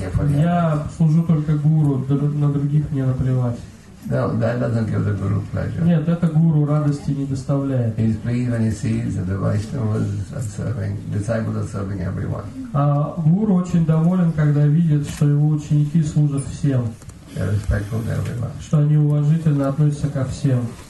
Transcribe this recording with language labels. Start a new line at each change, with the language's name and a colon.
Russian: Я служу только гуру, на других мне наплевать.
English: No,
Russian: нет, это гуру радости не доставляет.
English: He's pleased when he sees that the vaishnavas are serving, disciples are serving everyone.
Russian: А гуру очень доволен, когда видит, что его ученики служат всем.
English: They're respectful to everyone.
Russian: Что они уважительно относятся ко всем.